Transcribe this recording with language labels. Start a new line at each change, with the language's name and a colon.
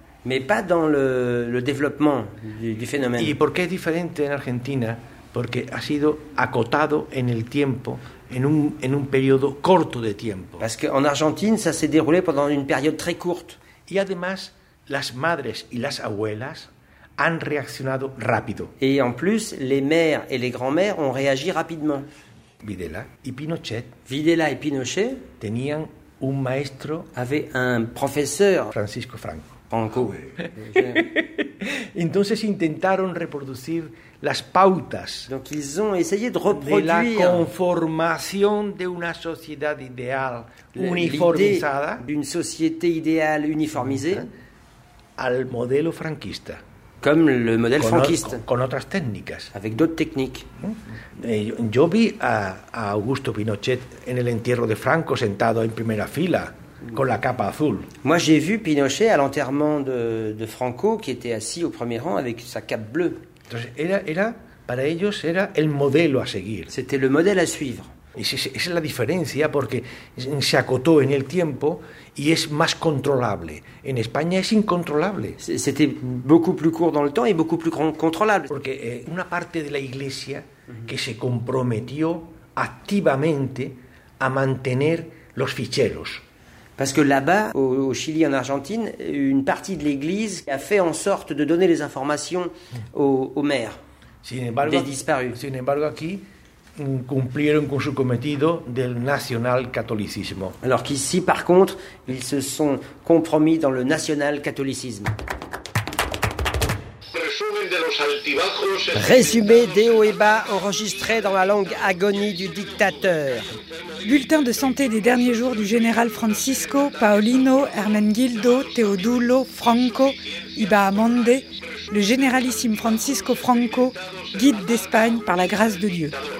French: Mais pas dans le développement du phénomène.
Spanish: Y por qué es diferente en Argentina? Porque ha sido acotado en el tiempo, en un periodo corto de tiempo.
French: Parce qu'en Argentine, ça s'est déroulé pendant une période très courte.
Spanish: Y además, las madres y las abuelas han reaccionado rápido.
French: Y en plus, les mères et les grands-mères ont réagi rapidement.
Spanish: Videla y Pinochet tenían un maestro,
French: avait un profesor,
Spanish: Francisco Franco.
French: Franco. Oh,
Spanish: Entonces intentaron reproducir las pautas.
French: Donc ils ont essayé de reproduire
Spanish: la conformación de una sociedad ideal uniformizada,
French: d'une société idéale uniformisée,
Spanish: al modelo franquista.
French: Comme le modèle franquiste.
Spanish: Con otras técnicas.
French: Avec d'autres techniques.
Spanish: Yo vi a Augusto Pinochet en el entierro de Franco sentado en primera fila con la capa azul.
French: Moi j'ai vu Pinochet à l'enterrement de Franco qui était assis au premier rang avec sa cape bleue.
Spanish: Entonces era para ellos era el modelo a seguir.
French: C'était le modèle à suivre.
Spanish: Esa es la diferencia porque se acotó en el tiempo y es más controlable. En España es incontrolable.
French: C'était beaucoup plus court dans le temps et beaucoup plus contrôlable.
Spanish: Porque una parte de la Iglesia que se comprometió activamente a mantener los ficheros.
French: Parce que là-bas, au Chili, en Argentine, une partie de l'Église a fait en sorte de donner les informations aux maires des disparus.
Spanish: Sin embargo, aquí cumplieron con su cometido del nacional catolicismo.
French: Alors qu'ici, par contre, ils se sont compromis dans le national catholicisme. Résumé des hauts et bas enregistré dans la longue agonie du dictateur. Bulletin de santé des derniers jours du général Francisco, Paolino, Hermenegildo, Teodulo, Franco, Ibahamonde, le généralissime Francisco Franco, guide d'Espagne par la grâce de Dieu.